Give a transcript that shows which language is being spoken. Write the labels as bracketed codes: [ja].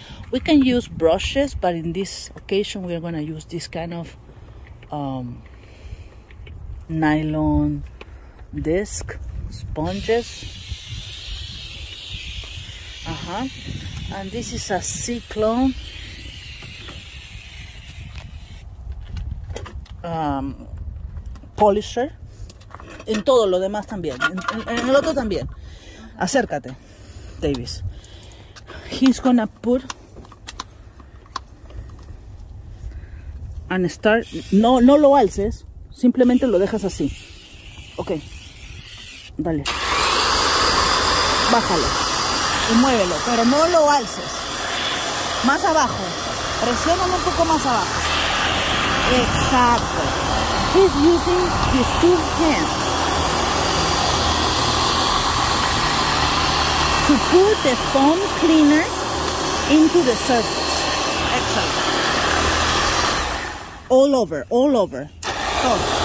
[en] We can use brushes, but in this occasion we're gonna use this kind of nylon disc sponges. And this is a C-Clone polisher. [es] En todo lo demás también, en el otro también. Acércate, Davis. [en] He's gonna put and start. [es] No lo alces, simplemente lo dejas así. Ok, dale. Bájalo y muévelo, pero no lo alces. Más abajo, presiónalo un poco más abajo. Exacto. [en] He's using his two hands to put the foam cleaner into the surface. Excellent. All over, all over. Go.